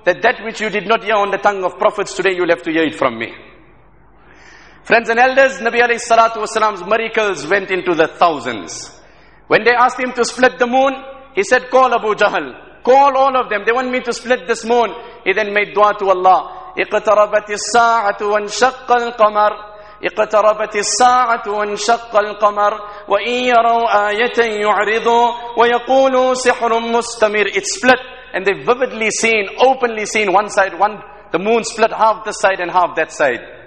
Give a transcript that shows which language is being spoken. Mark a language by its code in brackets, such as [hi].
[en] That which you did not hear on the tongue of prophets today, you'll have to hear it from me. Friends and elders, Nabi alayhi salatu wasalam's miracles went into the thousands. When they asked him to split the moon, he said, call Abu Jahl. Call all of them. They want me to split this moon. He then made dua to Allah. [ar] اِقْتَرَبَتِ السَّاعَةُ وَانْشَقَّ الْقَمَرِ اقتربت الساعة وانشق القمر وإن يروا آية يعرضوا ويقولوا سحر مستمر. [en] It's split and they've vividly seen, openly seen one side, one the moon split half this side and half that side.